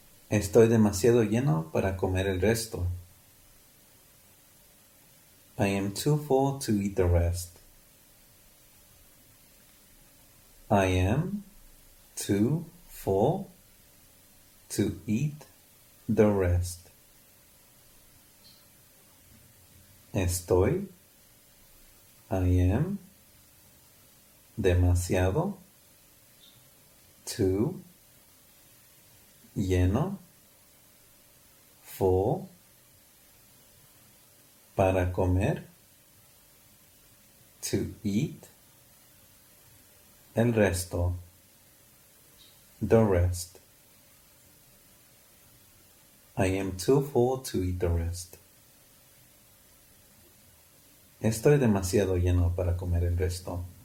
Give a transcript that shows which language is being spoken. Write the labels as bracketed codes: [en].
[es] Estoy demasiado lleno para comer el resto. [en] I am too full to eat the rest. I am too full to eat the rest. [es] Estoy, [en] I am, [es] demasiado, [en] too, [es] lleno, [en] full, [es] para comer, [en] to eat, [es] el resto, [en] the rest. I am too full to eat the rest. [es] Estoy demasiado lleno para comer el resto.